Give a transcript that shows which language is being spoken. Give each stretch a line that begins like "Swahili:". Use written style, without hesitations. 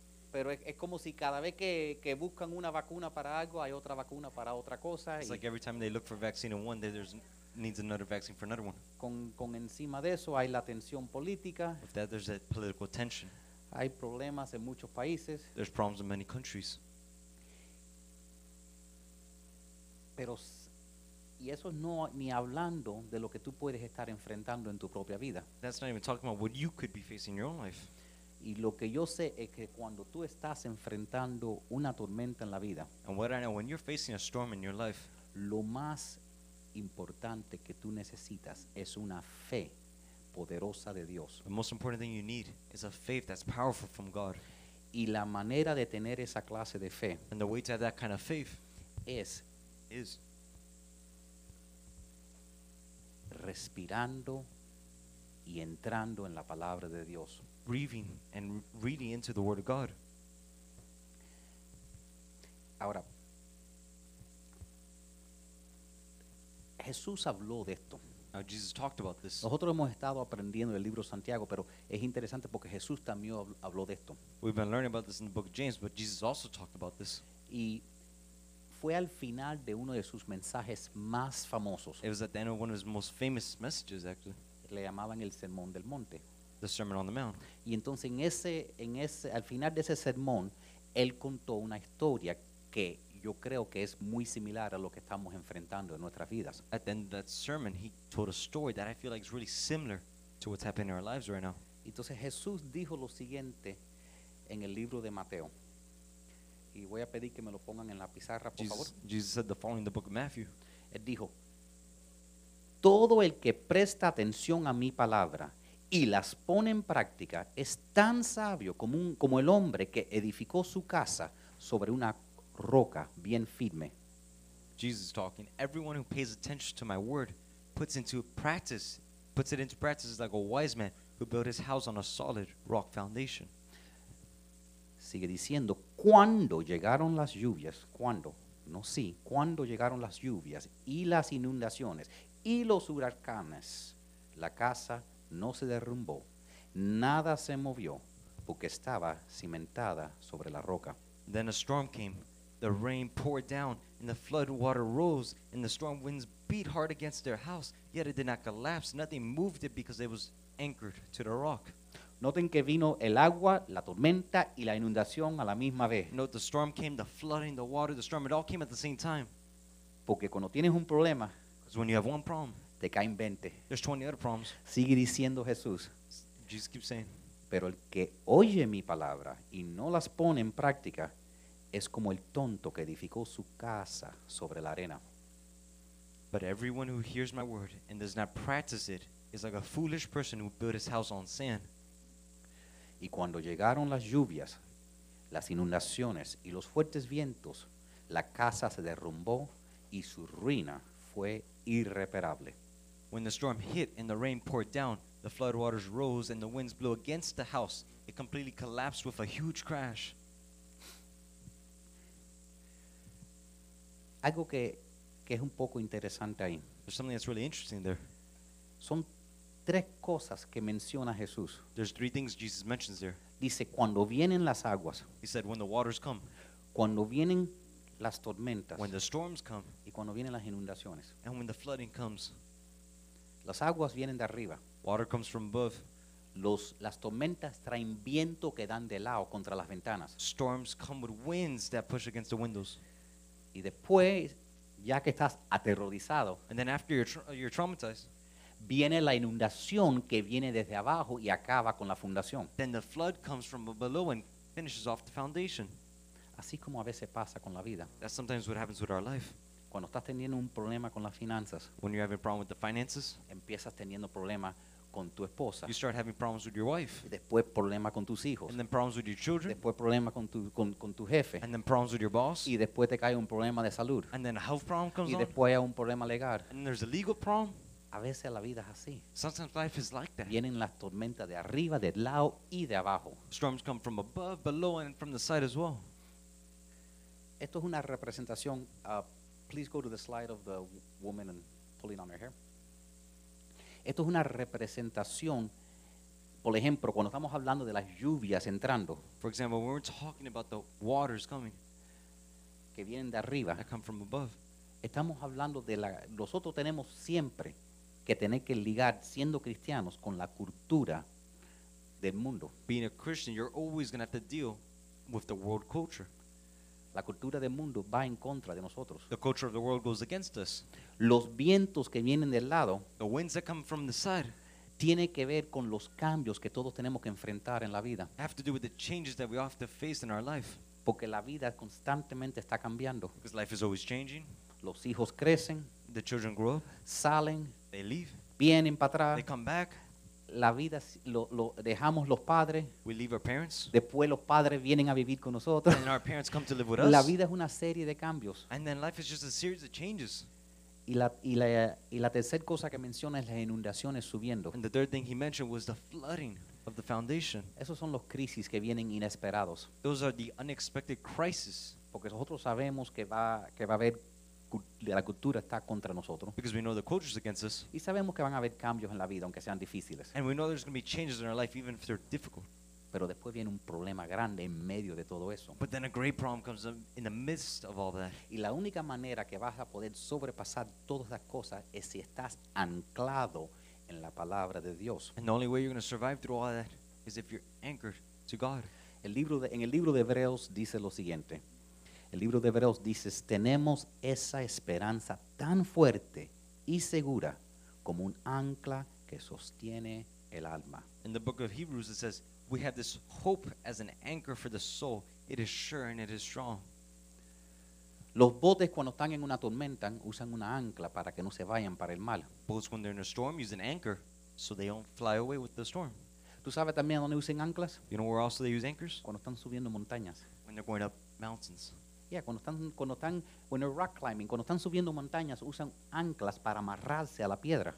Spanish: Pero es como si cada vez que buscan una vacuna para algo, hay otra vacuna para otra cosa.
English: It's like every time they look for vaccine in one day, there's... needs another vaccine for another one.
Spanish: Con encima de eso hay la tensión política.
English: With that, there's that political tension.
Spanish: Hay problemas en muchos países.
English: There's problems in many countries.
Spanish: Pero y eso no ni hablando de lo que tú puedes estar enfrentando en tu propia vida.
English: That's not even talking about what you could be facing in your own life.
Spanish: Y lo que yo sé es que cuando tú estás enfrentando una tormenta en la vida.
English: And what I know, when you're facing a storm in your life.
Spanish: Lo más importante que tú necesitas es una fe poderosa de Dios.
English: The most important thing you need is a faith that's powerful from God.
Spanish: Y la manera de tener esa clase de fe,
English: and the way to have that kind of faith,
Spanish: is respirando y entrando en la palabra de Dios.
English: Breathing and reading into the word of God.
Spanish: Ahora Jesús habló de esto.
English: Now Jesus talked about this.
Spanish: Nosotros hemos estado aprendiendo del libro Santiago, pero es interesante porque Jesús también habló de esto.
English: We've been learning about this in the book of James, but Jesus also talked about this.
Spanish: Y fue al final de uno de sus mensajes más famosos.
English: It was at the end of one of his most famous messages, actually.
Spanish: Le llamaban el Sermón del Monte.
English: The Sermon on the Mount.
Spanish: Y entonces en ese al final de ese sermón, él contó una historia que yo creo que es muy similar a lo que estamos enfrentando en nuestras vidas.
English: At the end of that sermon, he told a story that I feel like is really similar to what's happening in our lives right now.
Spanish: Entonces Jesús dijo lo siguiente en el libro de Mateo. Y voy a pedir que me lo pongan en la pizarra, por favor.
English: Jesus said the following in the book of Matthew.
Spanish: Él dijo, todo el que presta atención a mi palabra y las pone en práctica es tan sabio como el hombre que edificó su casa sobre una roca bien firme.
English: Jesus talking, everyone who pays attention to my word puts it into practice is like a wise man who built his house on a solid rock foundation.
Spanish: Sigue diciendo, cuando llegaron las lluvias, cuando, no sí, cuando llegaron las lluvias y las inundaciones y los huracanes, la casa no se derrumbó, nada se movió, porque estaba cimentada sobre la roca.
English: Then a storm came. The rain poured down, and the flood water rose, and the storm winds beat hard against their house, yet it did not collapse. Nothing moved it because it was anchored to the rock.
Spanish: Noten que vino el agua, la tormenta y la inundación a la misma vez.
English: Note the storm came, the flooding, the water, the storm, it all came at the same time.
Spanish: Porque cuando tienes un problema,
English: when you have one problem,
Spanish: te caen 20.
English: There's 20 other problems.
Spanish: Sigue diciendo Jesús.
English: Jesus keeps saying.
Spanish: Pero el que oye mi palabra y no las pone en práctica es como el tonto que edificó su casa sobre la arena.
English: But everyone who hears my word and does not practice it is like a foolish person who built his house on sand.
Spanish: Y cuando llegaron las lluvias, las inundaciones y los fuertes vientos, la casa se derrumbó y su ruina fue irreparable.
English: When the storm hit and the rain poured down, the flood waters rose and the winds blew against the house. It completely collapsed with a huge crash.
Spanish: Algo que es un poco interesante ahí.
English: There's something that's really interesting there.
Spanish: Son tres cosas que menciona Jesús.
English: There's three things Jesus mentions there.
Spanish: Dice, cuando vienen las aguas.
English: He said, when the waters come.
Spanish: Cuando vienen las tormentas.
English: When the storms come.
Spanish: Y cuando vienen las inundaciones.
English: And when the flooding comes.
Spanish: Las aguas vienen de arriba.
English: Water comes from above.
Spanish: Las tormentas traen viento que dan de lado contra las ventanas.
English: Storms come with winds that push against the windows.
Spanish: Y después, ya que estás aterrorizado.
English: And then after you're traumatized.
Spanish: Viene la inundación que viene desde abajo y acaba con la fundación.
English: Then the flood comes from below and finishes off the foundation.
Spanish: Así como a veces pasa con la vida.
English: That's sometimes what happens with our life.
Spanish: Cuando estás teniendo un problema con las finanzas.
English: When you're having a problem with the finances.
Spanish: Empiezas teniendo problemas con tu esposa.
English: You start having problems with your wife.
Spanish: Después problemas con tus hijos.
English: And then problems with your children.
Spanish: Después problemas con tu jefe.
English: And then problems with your boss.
Spanish: Y después te cae un problema de salud.
English: And then a health problem comes
Spanish: on. Y después hay un problema legal.
English: And there's a legal problem.
Spanish: A veces la vida es así.
English: Sometimes life is like that.
Spanish: Vienen las tormentas de arriba, del lado y de abajo.
English: Storms come from above, below, and from the side as well.
Spanish: Esto es una representación.
English: Please go to the slide of the woman and pulling on her hair.
Spanish: Esto es una representación. Por ejemplo, cuando estamos hablando de las lluvias entrando.
English: For example, when we're talking about the waters coming.
Spanish: Que vienen de arriba.
English: That come from above.
Spanish: Estamos hablando de la. Nosotros tenemos siempre que tener que ligar siendo cristianos con la cultura del mundo.
English: Being a Christian, you're always going to have to deal with the world culture.
Spanish: La cultura del mundo va en contra de nosotros.
English: The culture of the world goes against us.
Spanish: Los vientos que vienen del lado.
English: The winds that come from the side.
Spanish: Tiene que ver con los cambios que todos tenemos que enfrentar en la vida.
English: Have to do with the changes that we all have to face in our life.
Spanish: Porque la vida constantemente está cambiando.
English: Because life is always changing.
Spanish: Los hijos crecen.
English: The children grow up.
Spanish: Salen.
English: They leave.
Spanish: Vienen para atrás.
English: They come back.
Spanish: La vida, lo dejamos los padres.
English: We leave our parents.
Spanish: Después los padres vienen a vivir con nosotros.
English: And our parents come to live with us.
Spanish: La vida es una serie de cambios.
English: And then life is just a series of changes.
Spanish: Y la tercera cosa que menciona es las inundaciones subiendo.
English: And the third thing he mentioned was the flooding of the foundation.
Spanish: Esos son los crisis que vienen inesperados.
English: Those are the unexpected crises.
Spanish: Porque nosotros sabemos que va a haber. La cultura está contra nosotros.
English: Because we know the culture is against us.
Spanish: Y sabemos que van a haber cambios en la vida, aunque sean difíciles.
English: And we know there's going to be changes in our life, even if they're difficult.
Spanish: Pero después viene un problema grande en medio de todo eso.
English: But then a great problem comes in the midst of all that.
Spanish: Y la única manera que vas a poder sobrepasar todas las cosas es si estás anclado en la palabra de Dios.
English: And the only way you're going to survive through all that is if you're anchored to God.
Spanish: En el libro de Hebreos dice lo siguiente. El libro de Hebreos dice, tenemos esa esperanza tan fuerte y segura como un ancla que sostiene el alma.
English: In the book of Hebrews it says, we have this hope as an anchor for the soul. It is sure and it is strong.
Spanish: Los botes cuando están en una tormenta usan una ancla para que no se vayan para el mal.
English: Boats when they're in a storm use an anchor so they don't fly away with the storm.
Spanish: ¿Tú sabes también dónde usan anclas?
English: You know where also they use anchors?
Spanish: Cuando están subiendo montañas.
English: When they're going up mountains.
Spanish: Yeah, cuando están,
English: when they're rock climbing,
Spanish: cuando están subiendo montañas, usan anclas para amarrarse a la piedra.